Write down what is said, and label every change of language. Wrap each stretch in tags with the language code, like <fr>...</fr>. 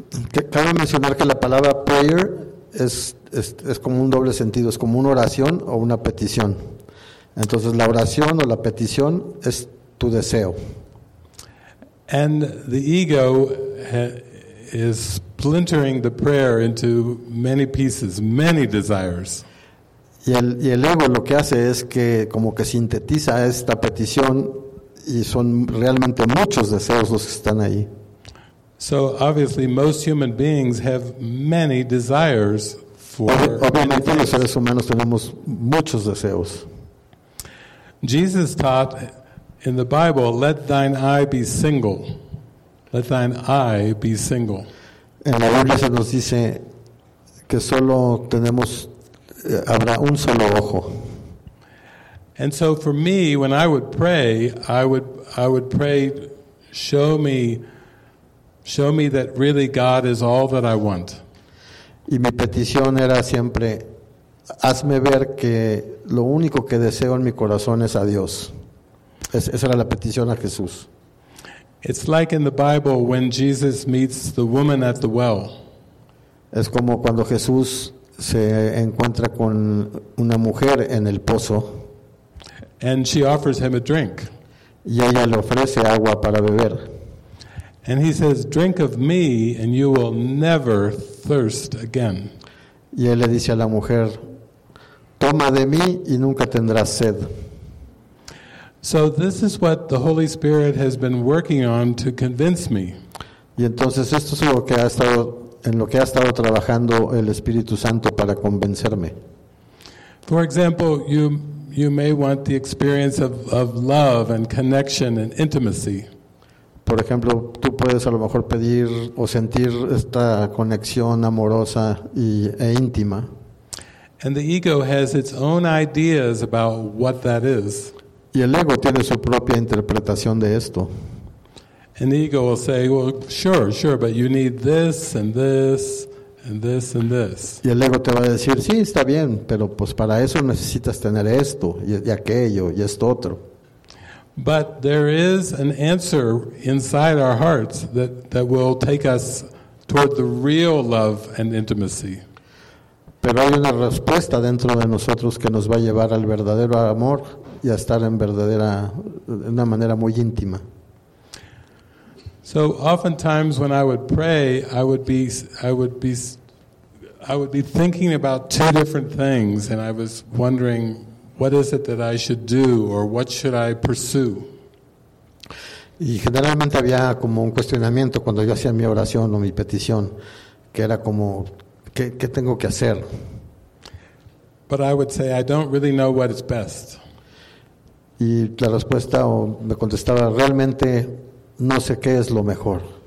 <es>Cabe mencionar que la palabra prayer es como un doble sentido, es como una oración o una petición. Entonces la oración o la petición es tu deseo.</es> <en>And the ego is splintering the prayer into many pieces, many desires.</en> <es>Y el ego lo que hace es que como que sintetiza esta petición, y son realmente muchos deseos los que están ahí.</es> <en>So obviously most human beings have many desires for</en> <es>obviamente los seres humanos tenemos muchos deseos.</es> <en>Jesus taught in the Bible, let thine eye be single. Let thine eye be single.</en> <es>En la Biblia se nos dice que solo tenemos habrá un solo ojo.</es> <en>And so for me, when I would pray, I would pray, show me that really God is all that I want.</en> <es>Y mi petición era siempre, hazme ver que lo único que deseo en mi corazón es a Dios. Esa era la petición a Jesús.</es> <en>It's like in the Bible when Jesus meets the woman at the well.</en> <es>Es como cuando Jesús se encuentra con una mujer en el pozo.</es> <en>And she offers him a drink.</en> <es>Y ella le ofrece agua para beber.</es> <en>And he says, drink of me and you will never thirst again.</en> <es>Y él le dice a la mujer, toma de mí y nunca tendrás sed.</es> <en>So this is what the Holy Spirit has been working on to convince me.</en> <es>Y entonces esto es lo que ha estado trabajando el Espíritu Santo para convencerme.</es> <en>For example, you may want the experience of love and connection and intimacy.</en> <es>Por ejemplo, tú puedes a lo mejor pedir o sentir esta conexión amorosa y e íntima.</es> <en>And the ego has its own ideas about what that is.</en> <es>Y el ego tiene su propia interpretación de esto.</es> <en>And the ego will say, well, sure, but you need this and this and this and this.</en> <es>Y el ego te va a decir, sí, está bien, pero pues para eso necesitas tener esto y aquello y esto otro.</es> <en>But there is an answer inside our hearts that will take us toward the real love and intimacy.</en> <es>Pero hay una respuesta dentro de nosotros que nos va a llevar al verdadero amor y a estar en verdadera, de una manera muy íntima.</es> <en>So oftentimes when I would pray, I would be thinking about two different things, and I was wondering, what is it that I should do, or what should I pursue?</en> <es>Y generalmente había como un cuestionamiento cuando yo hacía mi oración o mi petición, que era como, ¿qué tengo que hacer?</es> <en>But I would say, I don't really know what is best.</en> <es>Y la respuesta o me contestaba, realmente no sé qué es lo mejor.</es>